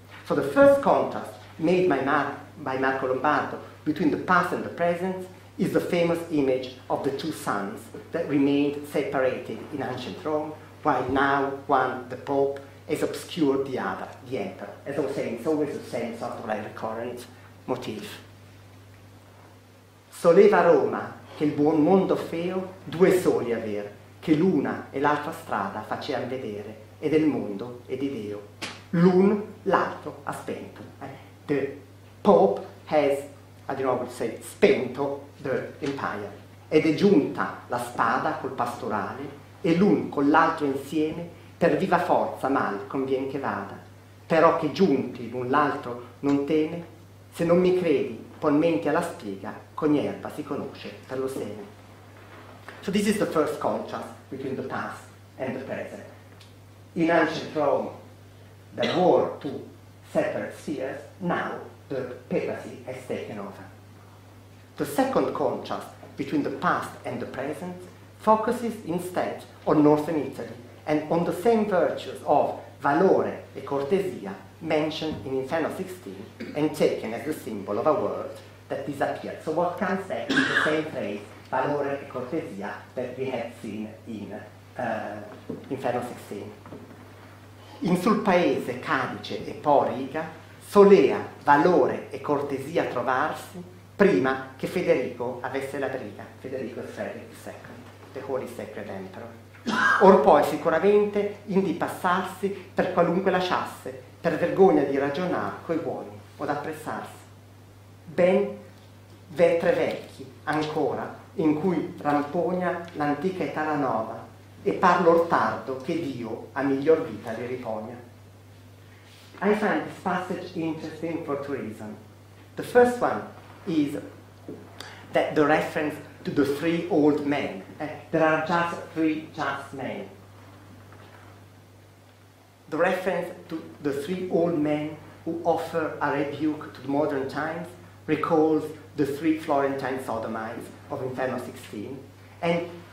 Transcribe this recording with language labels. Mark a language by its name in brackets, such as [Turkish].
[English] So the first contrast made by Marco Lombardo between the past and the present is the famous image of the two sons that remained separated in ancient Rome, while now one, the Pope, has obscured the other, the Emperor. As I was saying, it's always the same sort of like recurrent motif. [Italian] Soleva Roma che il buon mondo feo due soli aver, che l'una e l'altra strada facean vedere, e del mondo e di Deo. L'un l'altro ha spento. [English] The Pope has, I don't know how to say, spento the empire. [Italian] Ed è giunta la spada col pastorale, e l'un con l'altro insieme, per viva forza mal convien che vada. Però che giunti l'un l'altro non teme, se non mi credi, pon menti alla spiga, ogni erba si conosce per lo seme. [English] So this is the first contrast between the past and the present. In ancient Rome, there were two separate spheres, now the papacy has taken over. The second contrast between the past and the present focuses instead on Northern Italy and on the same virtues of [Italian] valore e cortesia [English] mentioned in Inferno 16 and taken as the symbol of a world that disappeared. So what comes back is the same phrase, [Italian] valore e cortesia, [English] that we had seen in Inferno 16. [Italian] In sul paese Cadice e poi Riga solea valore e cortesia trovarsi prima che Federico avesse la briga. Federico II, [English] the Holy Sacred Emperor. [Italian] Or poi sicuramente indi passarsi per qualunque lasciasse, per vergogna di ragionar coi buoni o d'appressarsi. Ben ve tre vecchi ancora in cui rampogna l'antica età la nova, e parlo tardo che Dio a miglior vita li ripogna. [English] I find this passage interesting for two reasons. The first one is that the reference to the three old men. There are just three just men. The reference to the three old men who offer a rebuke to the modern times recalls the three Florentine sodomites of Inferno 16, and